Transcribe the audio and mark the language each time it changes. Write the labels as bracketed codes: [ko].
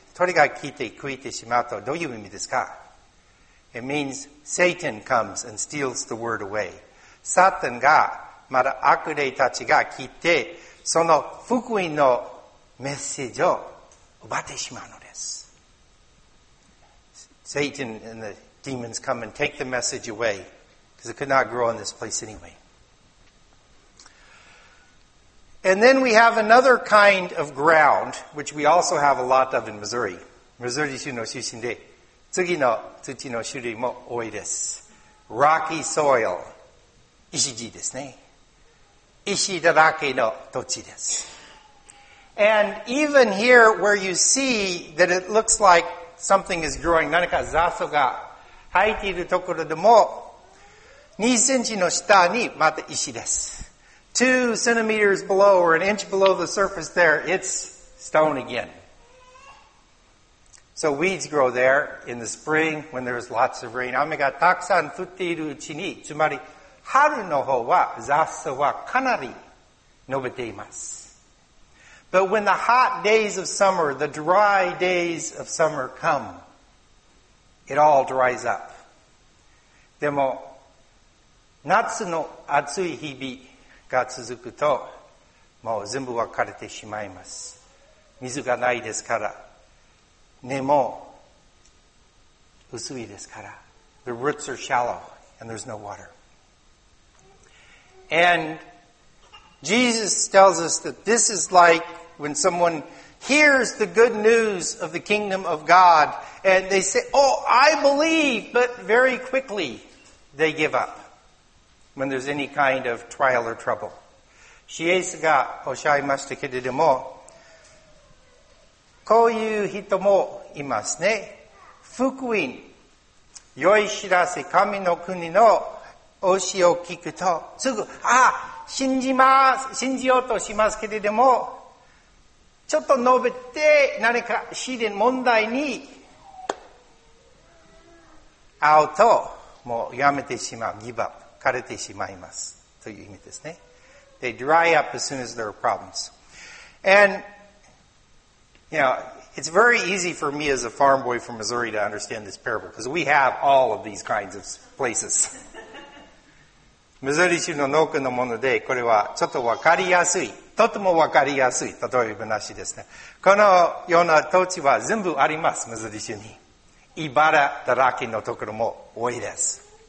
[ja] 鳥が来て食いてしまうとどういう意味ですか? [en] It means Satan comes and steals the word away. [ja] サタンが、まだ悪霊たちが来て、その福音のメッセージを奪ってしまうのです。 [en] Satan and the demons come and take the message away because it could not grow in this place anyway. And then we have another kind of ground, which we also have a lot of in Missouri. [ja] Missouri 州の出身で、次の土の種類も多いです。 [en] Rocky soil. [ja] 石地ですね。石だらけの土地です。 [en] And even here where you see that it looks like something is growing. [ja] 何か雑草が生えているところでも、2センチの下にまた石です。 [en] 2 centimeters below or an inch below the surface there, it's stone again. So weeds grow there in the spring when there's lots of rain. [ja] 雨がたくさん降っているうちに、つまり春の方は雑草はかなり伸びています。 [en] But when the hot days of summer, the dry days of summer come, it all dries up. [ja] でも、夏の暑い日々が続くと、もう全部分かれてしまいます。水がないですから、根も薄いですから。 [en] The roots are shallow and there's no water. And Jesus tells us that this is likeWhen someone hears the good news of the kingdom of God, and they say, oh, I believe, but very quickly they give up when there's any kind of trial or trouble. [ja] シエスがおっしゃいましたけれども、こういう人もいますね。福音、良い知らせ、神の国の教えを聞くと、すぐ、ああ、信じます、信じようとしますけれども、ちょっと述べて何か試練問題に会うともうやめてしまう、ギブアップ、枯れてしまいますという意味ですね。 [en] They dry up as soon as there are problems. And, you know, it's very easy for me as a farm boy from Missouri to understand this parable because we have all of these kinds of places. [ja] ミズーリ州の農家のものでこれはちょっとわかりやすい。とてもわかりやすい例え話ですね。このような土地は全部あります、ミズーリ州に。茨だらけのところも多いです。